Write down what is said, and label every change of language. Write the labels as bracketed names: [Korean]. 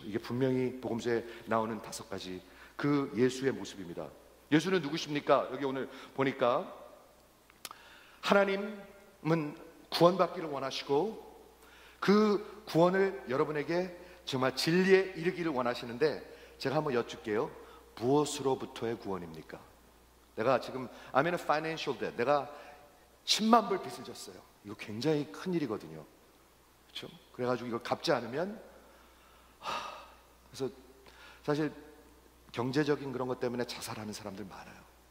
[Korean] 이게 분명히 복음서에 나오는 다섯 가지 그 예수의 모습입니다. 예수는 누구십니까? 여기 오늘 보니까 하나님은 구원받기를 원하시고 그 구원을 여러분에게 정말 진리에 이르기를 원하시는데 제가 한번 여쭙게요. 무엇으로부터의 구원입니까? 내가 지금 [English] I'm in a financial debt. [Korean] 내가 10만 불 빚을 졌어요. 이거 굉장히 큰 일이거든요. 그렇죠? 그래가지고 이걸 갚지 않으면 그래서 사실 경제적인 그런 것 때문에 자살하는 사람들 많아요.